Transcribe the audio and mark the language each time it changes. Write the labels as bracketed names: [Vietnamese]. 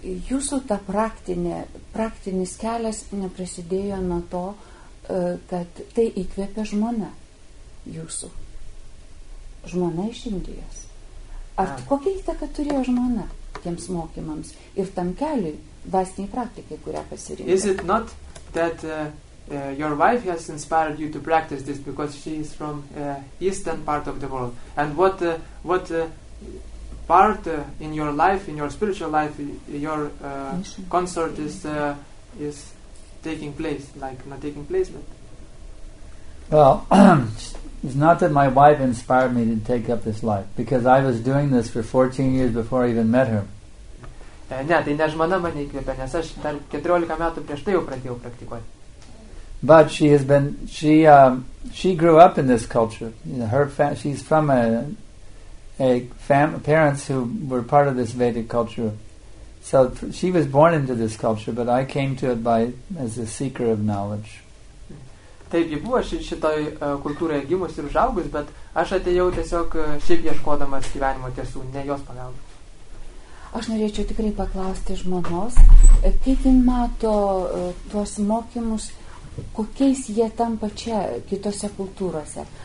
[Lithuanian] Jūsų ta praktinis kelias neprasidėjo nuo to, kad tai įkvėpė žmona jūsų? Žmona iš Indijos. Ar kokia įtaka turėjo žmona tiems mokymams ir tam keliui dvasiniai praktikai, kurią pasirinkė? [English] Is it not that your wife has inspired you to practice this because she is from eastern part of the world? And what part in your life, in your spiritual life, your consort is taking place, like not taking place, but... Well, it's not that my wife inspired me to take up this life, because I was doing this for 14 years before I even met her. [Lithuanian] Ne, tai ne žmona mane įkvėpė, nes aš dar 14 metų prieš tai jau pradėjau praktikuoti. [English] But she has been, she grew up in this culture. She's from parents who were part of this Vedic culture. So she was born into this culture, but I came to it as a seeker of knowledge. [Lithuanian] Taip, ji buvo šitoj kultūroje gimus ir užaugus, bet aš atėjau tiesiog šiaip ieškodamas gyvenimo tiesų, ne jos pagalba. Aš norėčiau tikrai paklausti žmonos, kaip jin mato tuos mokymus, kokiais jie tampa čia kitose kultūrose?